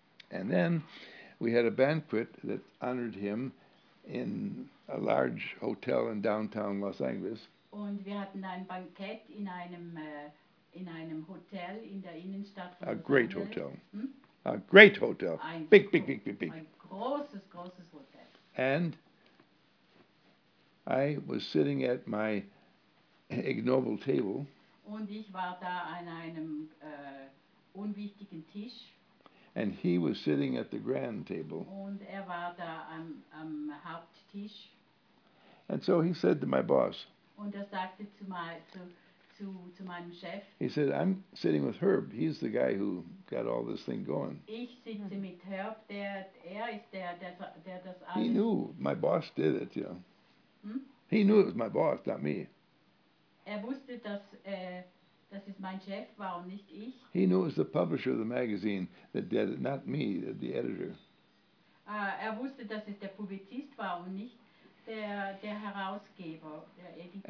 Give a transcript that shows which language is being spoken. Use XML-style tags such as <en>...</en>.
<en>And then we had a banquet that honored him in a large hotel in downtown Los Angeles.</en> <de>Und wir hatten ein Bankett in einem Hotel in der Innenstadt von</de> <en>A great</en> <de>Angeles.</de> <en>Hotel. Hm? A great hotel.</en> <de>Ein</de> <en>big, big, big, big, big.</en> <de>Ein großes, großes Hotel.</de> <en>And I was sitting at my ignoble table.</en> <de>Und ich war da an einem unwichtigen Tisch.</de> <en>And he was sitting at the grand table.</en> <de>Und er war da am Haupttisch.</de> <en>And so he said to my boss.</en> <de>Und er sagte zu meinem Chef.</de> <en>He said, I'm sitting with Herb. He's the guy who got all this thing going.</en> <de>Ich sitze mit Herb. Er ist der das alles.</de> <en>He knew my boss did it, you know. Hm? He knew it was my boss, not me.</en> <de>Er wusste, dass es mein Chef war und nicht ich.</de> <en>He knew it was the publisher of the magazine that did it, not me, the editor.</en> <de>Er wusste, dass es der Publizist war und nicht der Herausgeber, der Editor.</de>